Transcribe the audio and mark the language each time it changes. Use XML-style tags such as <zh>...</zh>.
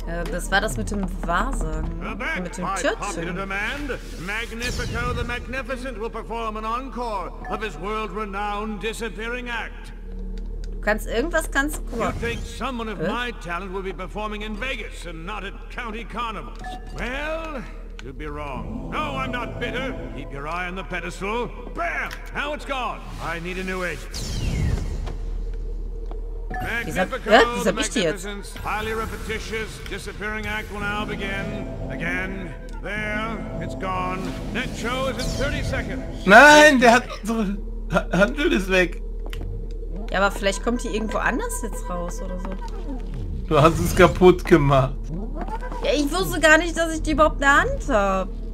<de>Das war das mit dem Wahrsagen. Mit dem Türchen.</de> <en>Magnifico the Magnificent will perform an encore of his world-renowned disappearing act.</en> <de>Kannst irgendwas ganz kurz.</de> <en>You think someone of my talent will be performing in Vegas and not at county carnivals? Well, you'd be wrong. No, I'm not bitter. Keep your eye on the pedestal. Bam! Now it's gone. I need a new agent. Magnificence, highly repetitious, disappearing act will now begin. Again. There, it's gone. That show is in 30 seconds.</en> <de>Nein, der hat unsere Handel ist weg. Ja, aber vielleicht kommt die irgendwo anders jetzt raus oder so. Du hast es kaputt gemacht. Ja, ich wusste gar nicht, dass ich die überhaupt in der Hand habe.</de>